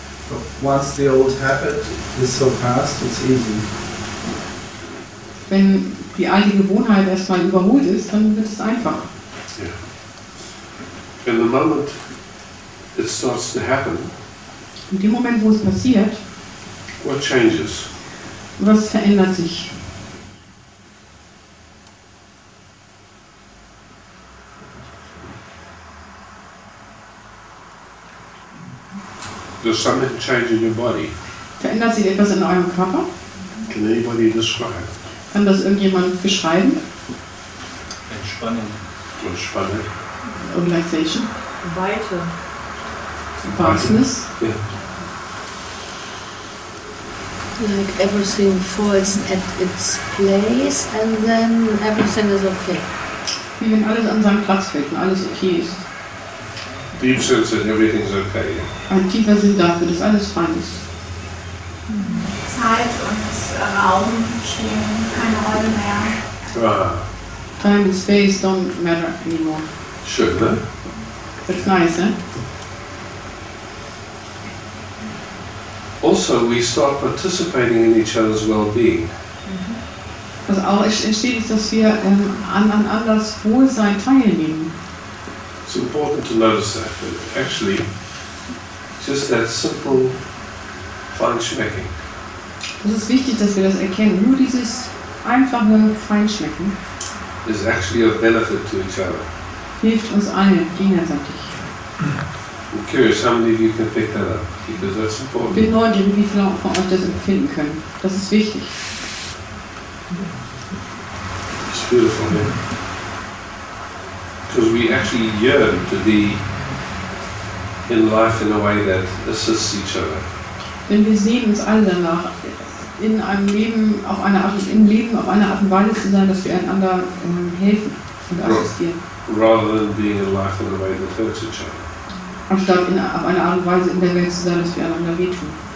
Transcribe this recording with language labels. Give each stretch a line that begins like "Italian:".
English: But once the old habit is so fast, it's easy.
German: Wenn die alte Gewohnheit erstmal überholt ist, dann wird es einfach.
English: Yeah. In the moment it starts to happen.
German: In dem Moment, wo es passiert,
English: what changes?
German: Was verändert sich?
English: Does something change in your body?
German: Verändert sich etwas in eurem Körper?
English: Can anybody describe?
German: Kann das irgendjemand beschreiben? Entspannung. Entspannung.
English: Organization.
German: Weite.
English: Vastness. Yeah. Like everything falls at its place and then everything is okay.
German: Wie wenn alles an seinem Platz fällt und alles okay ist.
English: Deep sense that everything's okay.
German: Ein tiefer Sinn dafür, dass alles fein ist. Zeit und Raum spielen keine Rolle mehr. Ah.
English: Time and space don't matter anymore.
German: Schön, ne?
English: That's nice, eh? Also, we start participating in each other's well-being.
German: Was auch entsteht, ist, dass wir an anders Wohlsein teilnehmen.
English: It's important to notice that, but actually, just that simple feinschmecking.
German: Es ist wichtig, dass wir das erkennen. Nur dieses einfache Feinschmecken
English: is actually a benefit to each other.
German: Hilft uns allen gegenseitig.
English: I'm curious how many of you can pick that up, because that's important.
German: Bin neugierig, wie viele von euch das empfinden können. Das ist wichtig.
English: It's beautiful, yeah. Because we actually yearn to be in life in a way that assists each other.
German: Denn wir sehen uns alle danach, in einem Leben auf eine Art, im Leben auf eine Art und Weise zu sein, dass wir einander helfen und assistieren.
English: Rather than being in life in a way that hurts each other.
German: Anstatt in, auf eine Art und Weise in der Welt zu sein, dass wir einander wehtun.